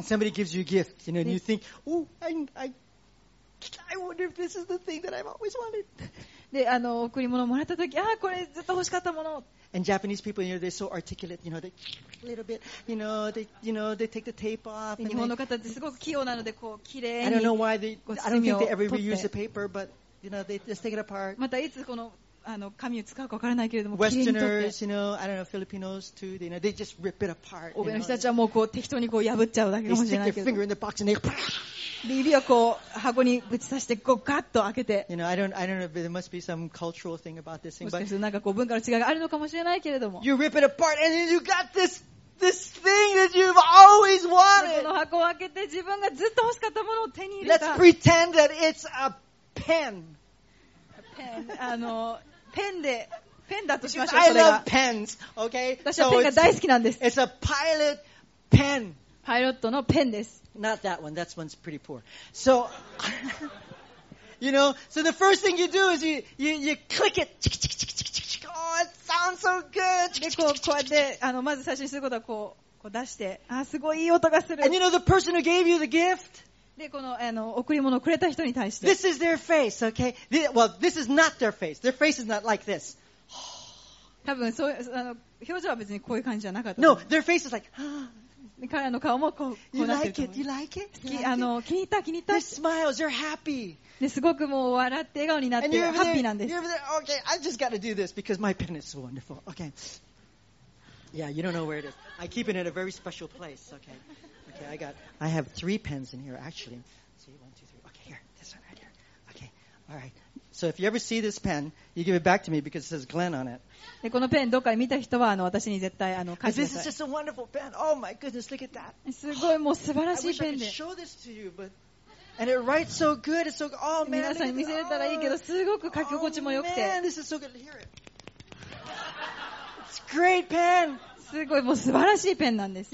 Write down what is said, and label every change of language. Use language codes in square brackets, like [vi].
[en] when somebody gives you a gift, you know, you think, oh, I wonder if this is the thing that I've always wanted. [ja] で、贈り物をもらった時、ああ、これずっと欲しかったもの。 [en] And Japanese people, you know, they're so articulate. You know, they a little bit, you know, they take the tape off. [ja] 日本の方ってすごく器用なので、こう綺麗に。 [en] I don't know why they. I don't think they ever reuse the paper, but you know, they just take it apart. [ja] またいつこの紙を使うかわからないけれども、 [en] Westerners, you know, I don't know, Filipinos too. They, you know, they just rip it apart. [ja] 欧米の人たちはもうこう適当にこう破っちゃうだけかもしれないけど。 [en] They stick their finger in the box and they. [ja] で指をこう箱にぶち刺してこうガッと開けて。 [en] You know, I don't know, but there must be some cultural thing about this thing. [ja] もしかしてなんかこう文化の違いがあるのかもしれないけれども。 [en] You rip it apart and then you got this thing that you've always wanted. [ja] この箱を開けて自分がずっと欲しかったものを手に入れた。 [en] Let's pretend that it's a pen. A pen. [ja] ペンだとしましょう。 [en] Because I love pens, okay? [ja] 私はペンが大好きなんです。 [en] It's a pilot pen. [ja] パイロットのペンです。 [en] Not that one. That one's pretty poor. So, you know, so the first thing you do is you click it. Chik chik chik chik chik chik. Oh, it sounds so good. [ja] で、こうこうやって、まず最初にすることはこう出して、あ、すごいいい音がする。 [en] And you know the person who gave you the gift? [ja] で、この、贈り物をくれた人に対して。 [en] This is their face, okay? This is not their face. Their face is not like this. [ja] 多分そう、表情は別にこういう感じじゃなかった。 [en] No, their face is like, [ja] 彼らの顔もこうこうなってると思う。 [en] You like it? You like it? [ja] 気に入った気に入った。 [en] The smiles, you're happy. [ja] ですごくもう笑って笑顔になってハッピーなんです。 [en] You're over there. Okay, I just got to do this because my pen is so wonderful. Okay. Yeah, you don't know where it is. I keep it in a very special place. Okay. Okay, I have three pens in here actually. See, one, two, three. Okay, here, this one right here. Okay, all right. So if you ever see this pen, you give it back to me because it says Glenn on it. [ja] でこのペンどっかで見た人は私に絶対返してください。 [en] This is just a wonderful pen. Oh my goodness, look at that. [ja] すごいもう素晴らしいペンで。 [en] I wish I could show this to you, but and it writes so good. It's so oh man. [ja] 皆さんに見せれたらいいけどすごく書き心地も良くて。 [en] Oh man, this is so good. Hear it. It's a great pen. [ja] すごいもう素晴らしいペンなんです。